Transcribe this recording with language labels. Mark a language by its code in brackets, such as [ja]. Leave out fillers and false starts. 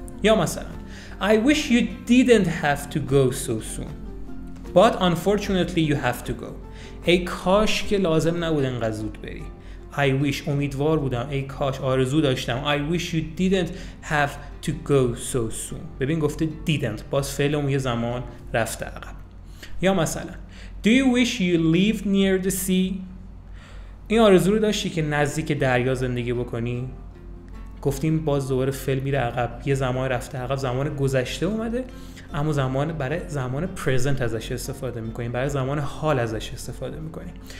[fa] یا مثلا [en] I wish you didn't have to go so soon, but unfortunately you have to go. [fa] ای کاش که لازم نبود انقدر زود بری. [en] I wish، [fa] امیدوار بودم. ای کاش، آرزو داشتم. [en] I wish you didn't have to go so soon. [fa] ببین گفته didn't، باز فعلمون یه زمان رفته عقب. یا مثلا [en] Do you wish you lived near the sea؟ [fa] این آرزو رو داشتی که نزدیک دریا زندگی بکنی؟ گفتیم باز دوباره فعل میره عقب، یه زمان رفته عقب، زمان گذشته اومده، اما زمان برای زمان پرزنت ازش استفاده میکنیم، برای زمان حال ازش استفاده میکنیم.